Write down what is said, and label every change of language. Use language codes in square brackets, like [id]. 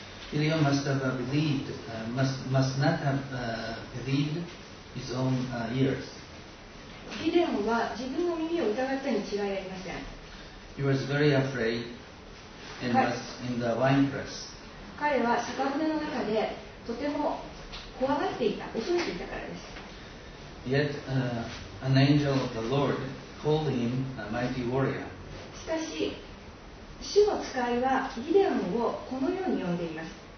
[en] Gideon must not have believed his own ears. [ja] ギデオンは自分の耳を疑ったに違いありません。 [en] He was very afraid and was in the wine press. [ja] 彼は酒舟の中でとても怖がっていた、恐れていたからです。 [en] Yet, an angel of the Lord called him a mighty warrior. [ja] しかし、主の使いはギデオンをこのように呼んでいます。